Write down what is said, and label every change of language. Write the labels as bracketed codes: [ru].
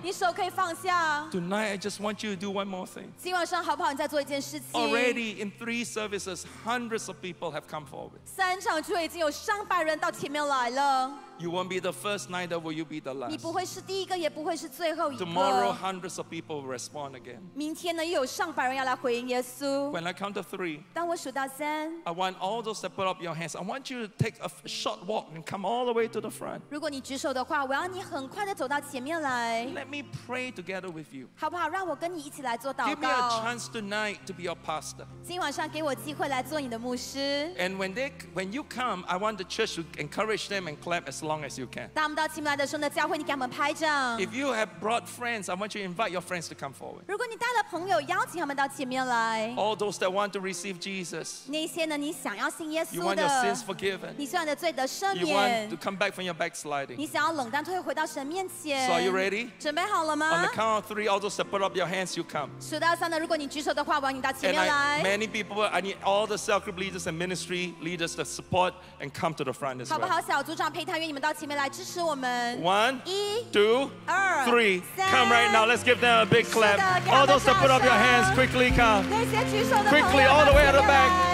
[en] Tonight, I just want you to do one more thing. [zh] 今晚上好不好, [en] already in three services, hundreds of people have come forward. [zh] 三场聚会已经有上百人到前面来了。 [en] You won't be the first, neither will you be the last. [zh] 你不会是第一个，也不会是最后一个。 [en] Tomorrow, hundreds of people will respond again. [zh] 明天呢，又有上百人要来回应耶稣。 [en] When I count to three, [zh] 当我数到三, [en] I want all those that put up your hands, I want you to take a short walk and come all the way to the front. [zh] 如果你举手的话，我要你很快地走到前面来。 [en] Let me pray together with you. [zh] 好不好？让我跟你一起来做祷告。 [en] Give me a chance tonight to be your pastor. [zh] 今晚上给我机会来做你的牧师。 [en] And when you come, I want the church to encourage them and clap as long as you can. If you have brought friends, I want you to invite your friends to come forward. [zh] 如果你带了朋友，邀请他们到前面来。 [en] All those that want to receive Jesus, [zh] 那些呢，你想要信耶稣的, [en] you want your sins forgiven, [zh] 你希望你的罪得赦免, [en] you want to come back from your backsliding, [zh] 你想要冷淡退回到神面前。 [en] So are you ready? [zh] 准备好了吗? [en] On the count of three, all those that put up your hands, you come. [zh] 数到三的，如果你举手的话, 我要你到前面来。 [en] Many people, I need all the cell group leaders and ministry leaders to support and come to the front as well. [zh] 好不好，小组长陪他们。 [en] One, [zh] 一, [en] two, [zh] 二, [en] three. Come right now. Let's give them a big clap. [zh] 是的, [en] all those that put up your hands, quickly come. Quickly, all the way at the back.